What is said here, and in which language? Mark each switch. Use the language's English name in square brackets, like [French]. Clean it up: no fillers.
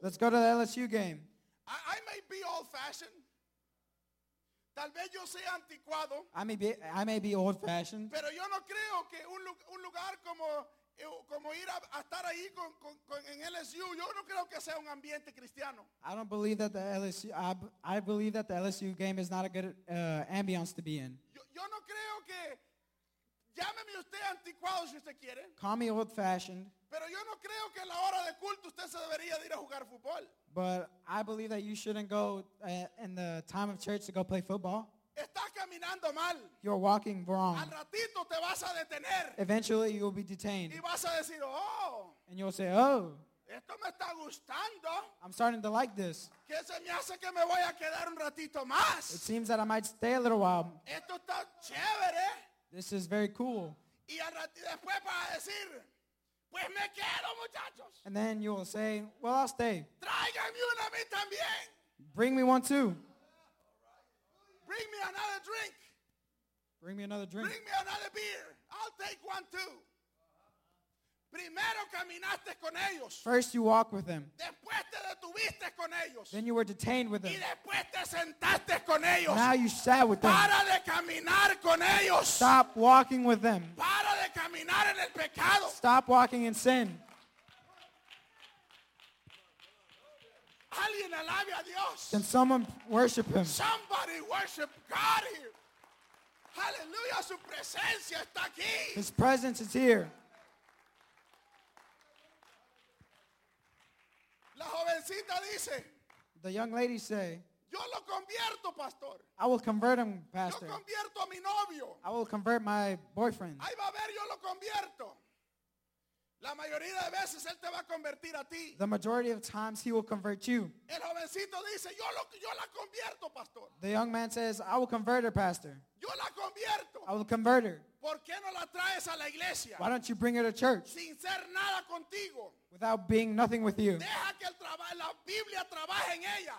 [English] Let's go to the LSU game. I may be old fashioned. [Spanish] Tal vez yo sea anticuado. [English] I may be old fashioned. [Spanish] Pero yo no creo que un lugar como ir a estar ahí con en LSU, yo no creo que sea un ambiente cristiano. [English] I don't believe that the LSU, I believe that the LSU game is not a good ambiance to be in. [Spanish] Yo no creo que, llámeme usted anticuado si usted quiere. [English] Call me old fashioned. [Spanish] Pero yo no creo que en la hora de culto usted se debería de ir a jugar fútbol. [English] But I believe that you shouldn't go in the time of church to go play football. [Spanish] Estás caminando mal. [English] You're walking wrong. [Spanish] Al ratito te vas a detener. [English] Eventually you will be detained. [Spanish] Y vas a decir, oh. [English] And you'll say, oh. [Spanish] Esto me está gustando. [English] I'm starting to like this. [Spanish] Que se me hace que me voy a quedar un ratito más. [English] It seems that I might stay a little while. [Spanish] Esto está chévere. [English] This is very cool. [Spanish] Y al ratito después para decir, pues me quedo, muchachos. [English] And then you will say, well, I'll stay. [Spanish] Tráigame una a mí también. [English] Bring me one too. Bring me another drink. Bring me another drink. Bring me another beer. I'll take one too. [Spanish] Primero caminaste con ellos. [English] First you walk with them. [Spanish] Después te detuviste con ellos. [English] Then you were detained with them. [Spanish] Y después te sentaste con ellos. [English] Now you sat with them. [Spanish] Para de caminar con ellos. [English] Stop walking with them. [Spanish] Para de caminar en el pecado. [English] Stop walking in sin. [Spanish] Alguien alabe a Dios. [English] Can someone worship him? Somebody worship God here. [Spanish] Hallelujah, su presencia está aquí. [English] His presence is here. [Spanish] La jovencita dice, [English] the young lady say, [Spanish] yo lo convierto, pastor. [English] I will convert him, pastor. [Spanish] Yo convierto a mi novio. [English] I will convert my boyfriend. [Spanish] Ahí va a ver, yo lo convierto. La mayoría de veces él te va a convertir a ti. [English] The majority of times he will convert you. [Spanish] El jovencito dice, yo la convierto, pastor. [English] The young man says, I will convert her, pastor. [Spanish] Yo la convierto. [English] I will convert her. [Spanish] ¿Por qué no la traes a la iglesia? [English] Why don't you bring her to church? [Spanish] Sin ser nada contigo. [English] Without being nothing with you. [Spanish] Deja que la Biblia trabaje en ella.